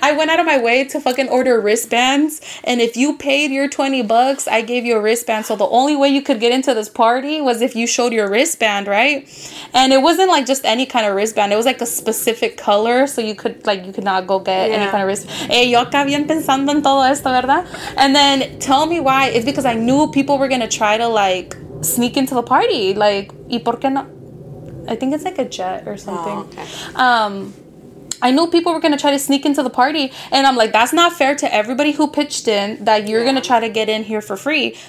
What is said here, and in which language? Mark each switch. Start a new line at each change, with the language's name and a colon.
English: I went out of my way to fucking order wristbands. And if you paid your $20, I gave you a wristband. So the only way you could get into this party was if you showed your wristband, right? And it wasn't like just any kind of wristband. It was like a specific color. So you could, like, you could not go get any kind of wristband.
Spanish: Hey, yo acá bien pensando en todo esto, ¿verdad?
English: And then tell me why. It's because I knew people were going to try to, like, sneak into the party. Like,
Spanish: ¿y por qué no?
English: I think it's like a jet or something. Oh, okay. I knew people were going to try to sneak into the party. And I'm like, that's not fair to everybody who pitched in that you're going to try to get in here for free.